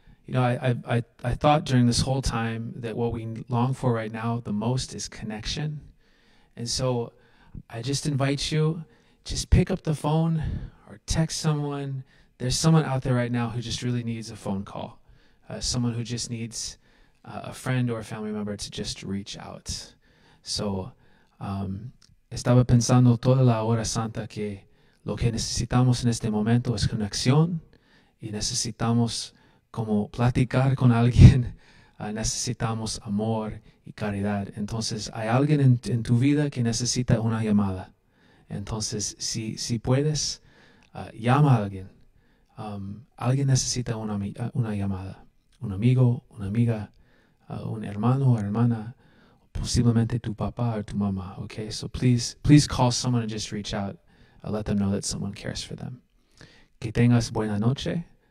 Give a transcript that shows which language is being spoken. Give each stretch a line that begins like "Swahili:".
English: You know, I thought during this whole time that what we long for right now the most is connection. And so I just invite you, just pick up the phone or text someone. There's someone out there right now who just really needs a phone call. Someone who just needs a friend or a family member to just reach out.
Spanish: So, estaba pensando toda la hora santa que lo que necesitamos en este momento es conexión y necesitamos como platicar con alguien, necesitamos amor y caridad. Entonces, hay alguien en tu vida que necesita una llamada. Entonces, si puedes, llama a alguien. Alguien necesita una llamada. Un amigo, una amiga, un hermano o hermana, posiblemente tu papá o tu mamá.
English: Okay, so please call someone and just reach out. Let them know that someone cares for them.
Spanish: Que tengas buena noche.